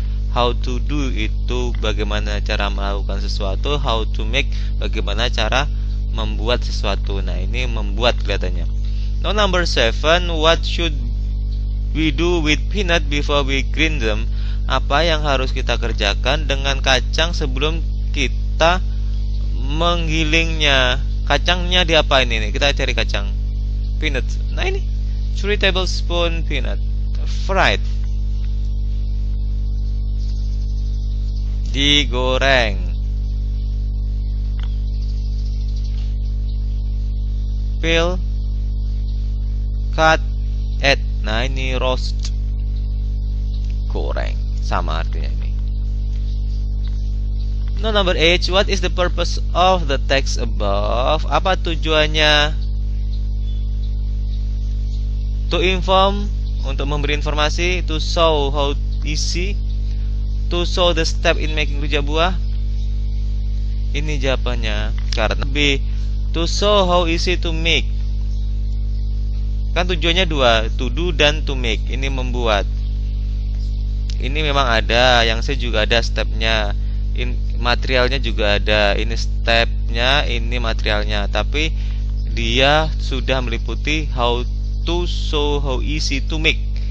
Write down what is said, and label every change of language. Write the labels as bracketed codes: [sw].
[en] How to do [id] itu bagaimana cara melakukan sesuatu, [en] how to make [id] bagaimana cara membuat sesuatu. Nah, ini membuat kelihatannya. [en] Now number 7, what should we do with peanut before we grind them? [id] Apa yang harus kita kerjakan dengan kacang sebelum kita menggilingnya? Kacangnya diapain ini? Kita cari kacang. Peanut. Nah, ini 3 [en] tablespoon peanut fried. [id] Digoreng. [en] Peel. Cut. Add. [id] Nah, ini roast, goreng, sama artinya ini. [en] Now number 8, what is the purpose of the text above? [id] Apa tujuannya? [en] To inform, [id] untuk memberi informasi. [en] To show how easy. To show the step in making rujak buah. [id] Ini jawabannya. Karena B, [en] to show how easy to make. [id] Kan tujuannya dua, [en] to do [id] dan [en] to make. [id] Ini membuat. Ini memang ada, yang saya juga ada stepnya. Materialnya juga ada. Ini stepnya, ini materialnya. Tapi dia sudah meliputi [en] how to, so how easy to make.